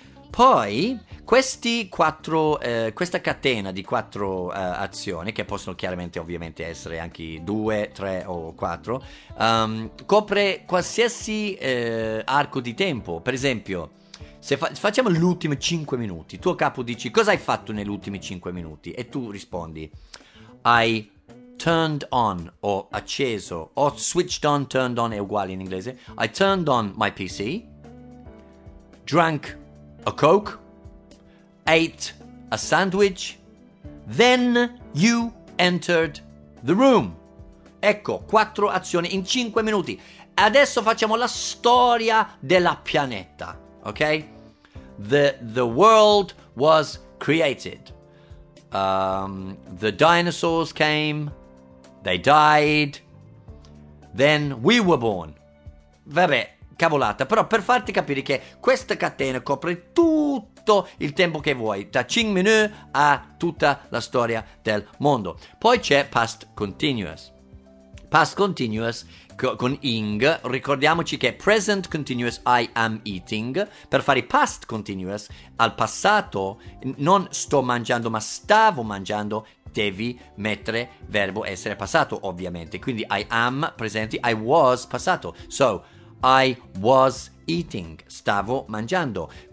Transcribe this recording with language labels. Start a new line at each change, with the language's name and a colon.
Italian: Poi, questa catena di quattro azioni, che possono chiaramente ovviamente essere anche due, tre o quattro, copre qualsiasi arco di tempo. Per esempio, se facciamo gli ultimi 5 minuti, tuo capo dici, cosa hai fatto negli ultimi 5 minuti? E tu rispondi,
English: I turned on,
Italian: o acceso, o
English: switched on, turned on,
Italian: è uguale in inglese.
English: I turned on my PC, drank a Coke, ate a sandwich, then you entered the room.
Italian: Ecco, quattro azioni in 5 minuti. Adesso facciamo la storia della pianeta, ok?
English: The world was created. The dinosaurs came, they died, then we were born.
Italian: Vabbè, cavolata, però per farti capire che questa catena copre tutto il tempo che vuoi, da 5 minuti a tutta la storia del mondo. Poi c'è past continuous. Past continuous con ing, ricordiamoci che present continuous
English: I am eating,
Italian: per fare past continuous al passato non sto mangiando ma stavo mangiando, devi mettere verbo essere passato ovviamente, quindi
English: I am
Italian: presente,
English: I was
Italian: passato,
English: so I was eating,
Italian: stavo mangiando.